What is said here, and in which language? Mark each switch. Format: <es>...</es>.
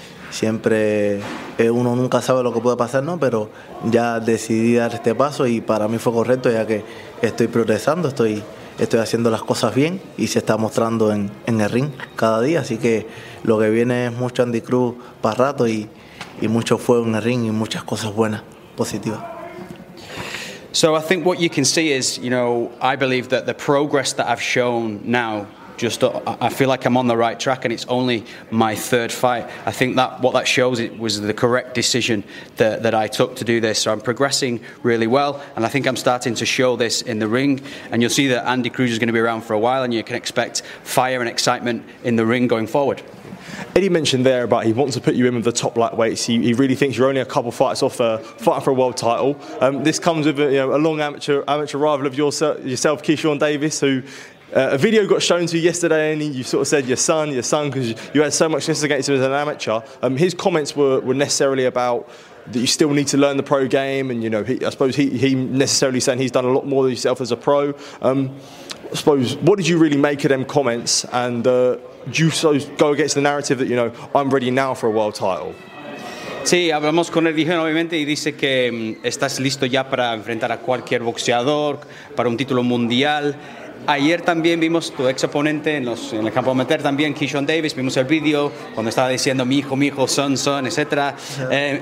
<es>Siempre uno nunca sabe lo que puede pasar, ¿no? Pero ya decidí dar este paso y para mí fue correcto ya que estoy progresando, estoy haciendo las cosas bien y se está mostrando en el ring cada día, así que lo que viene es mucho Andy Cruz para rato y mucho fuego en el ring y muchas cosas buenas, positivas.</es> <en>So I think what you can see is, you know, I believe that the progress that I've shown now, just I feel like I'm on the right track and it's only my third fight. I think that what that shows it was the correct decision that I took to do this. So I'm progressing really well and I think I'm starting to show this in the ring. And you'll see that Andy Cruz is going to be around for a while and you can expect fire and excitement in the ring going forward. Eddie mentioned there about he wants to put you in with the top lightweights. He really thinks you're only a couple fights off fighting for a world title. This comes with a long amateur rival of yourself, Keyshawn Davis, who... a video got shown to you yesterday and you sort of said your son, because you had so much success against him as an amateur. His comments were necessarily about that you still need to learn the pro game and, you know, he necessarily saying he's done a lot more than yourself as a pro. I suppose, what did you really make of them comments and do you so go against the narrative that, you know, I'm ready now for a world title?</en> <es>Sí, hablamos con Eddie Hearn, obviamente, y dice que estás listo ya para enfrentar a cualquier boxeador, para un título mundial. Ayer también vimos tu ex oponente en el campo amateur también, Keyshawn Davis, vimos el vídeo cuando estaba diciendo mi hijo, son, etc.</es>